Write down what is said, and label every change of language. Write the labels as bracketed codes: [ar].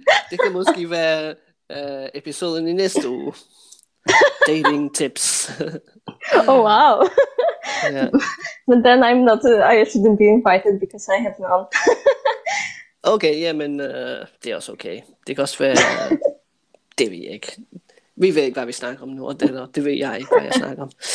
[da] Det kan måske være episoden i næste uge. [en] Dating tips. Oh, wow. Yeah. But then I'm not, I shouldn't be invited because I have none. [da] Okay, ja, men det er også okay. Det kan også være, det ved jeg ikke. Vi ved ikke, hvad vi snakker om nu, og det ved jeg ikke, hvad jeg snakker om.